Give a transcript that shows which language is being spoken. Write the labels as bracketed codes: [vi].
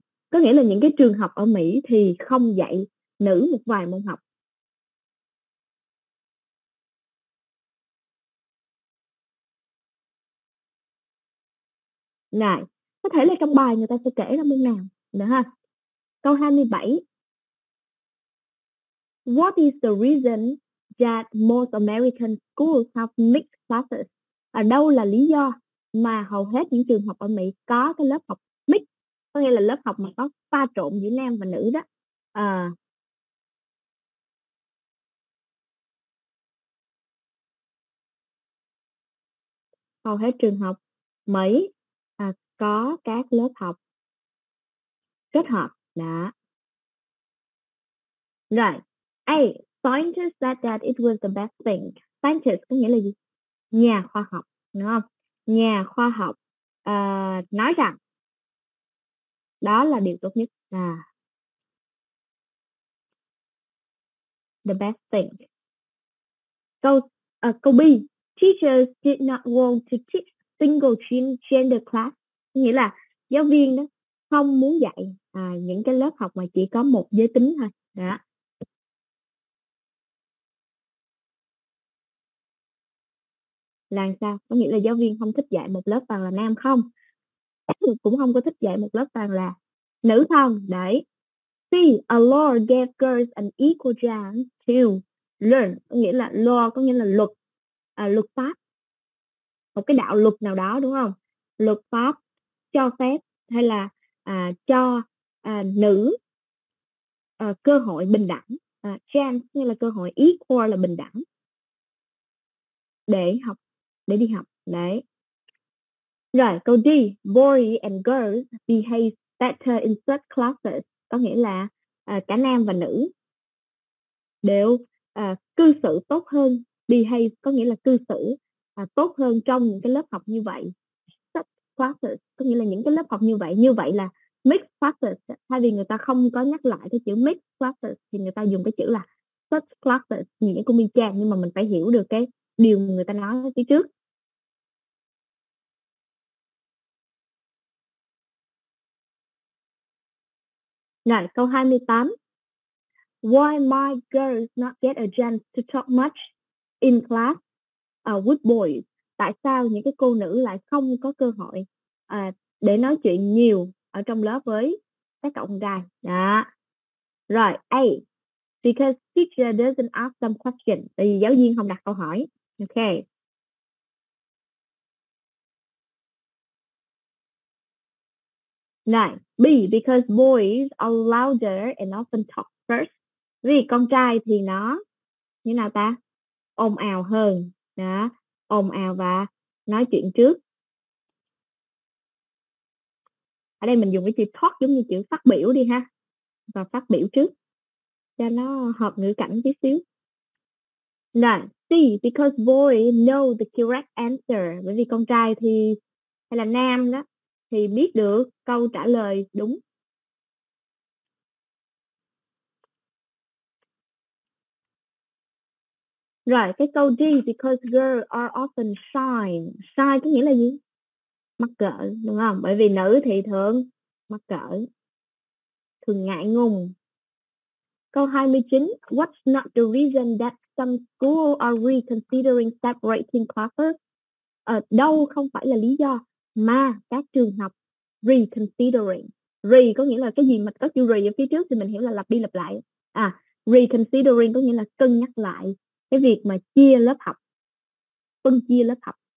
[vi] Có nghĩa là những cái trường học ở Mỹ thì không dạy nữ một vài môn học. Này, có thể là trong bài người ta sẽ kể ra môn nào nữa ha. Câu 27. [en] What is the reason that most American schools have mixed classes? [vi] Ở đâu là lý do mà hầu hết những trường học ở Mỹ có cái lớp học mixed? Có nghĩa là lớp học mà có pha trộn giữa nam và nữ đó. Hầu hết trường học Mỹ có các lớp học kết hợp. Đó. Rồi. [en] A. Scientists said that it was the best thing. Scientists [vi] có nghĩa là gì? nhà khoa học, đúng không? Nhà khoa học nói rằng đó là điều tốt nhất. [en] À, the best thing. [vi] Câu B. [en] Teachers did not want to teach single gender class. [vi] Nghĩa là giáo viên đó không muốn dạy những cái lớp học mà chỉ có một giới tính thôi. Đó. Là sao? Có nghĩa là giáo viên không thích dạy một lớp toàn là nam không? Cũng không có thích dạy một lớp toàn là nữ không? Đấy. C. [en] A law gave girls an equal chance to learn. [vi] Có nghĩa là law có nghĩa là luật. Luật pháp. Một cái đạo luật nào đó đúng không? Luật pháp cho phép hay là cho nữ cơ hội bình đẳng. Chance nghĩa là cơ hội, equal là bình đẳng. Để học, để đi học. Đấy. Rồi, câu D. [en] Boys and girls behave better in such classes. [vi] Có nghĩa là cả nam và nữ đều cư xử tốt hơn. Behave có nghĩa là cư xử tốt hơn trong những cái lớp học như vậy. [en] Such classes [vi] có nghĩa là những cái lớp học như vậy. Như vậy là [en] mixed classes. [vi] Thay vì người ta không có nhắc lại cái chữ [en] mixed classes [vi] thì người ta dùng cái chữ là [en] such classes. [vi] Nghĩa của mình chàng, nhưng mà mình phải hiểu được cái điều người ta nói phía trước. Rồi, câu 28. [en] Why my girls not get a chance to talk much in class with boys? [vi] Tại sao những cái cô nữ lại không có cơ hội để nói chuyện nhiều ở trong lớp với các cậu con trai? Đó. Rồi, A. [en] Because teacher doesn't ask some questions. [vi] Tại vì giáo viên không đặt câu hỏi. [en] Ok. [vi] Rồi. B. [en] Because boys are louder and often talk first. [vi] Vì con trai thì nó như nào ta? Ồn ào hơn. Đó. Ồn ào và nói chuyện trước. Ở đây mình dùng cái chữ talk giống như chữ phát biểu đi ha. Và phát biểu trước. Cho nó hợp ngữ cảnh tí xíu. Rồi. C. [en] Because boys know the correct answer. [vi] Bởi vì con trai thì, hay là nam đó, thì biết được câu trả lời đúng. Rồi, cái câu D. [en] Because girls are often shy. [vi] Shy có nghĩa là gì? Mắc cỡ, đúng không? Bởi vì nữ thì thường mắc cỡ, thường ngại ngùng. Câu 29. [en] What's not the reason that some school are reconsidering separating classes? [vi] Đâu không phải là lý do mà các trường học reconsidering. Re có nghĩa là cái gì mà có chữ re ở phía trước thì mình hiểu là lặp đi lặp lại. À, reconsidering có nghĩa là cân nhắc lại cái việc mà chia lớp học, phân chia lớp học.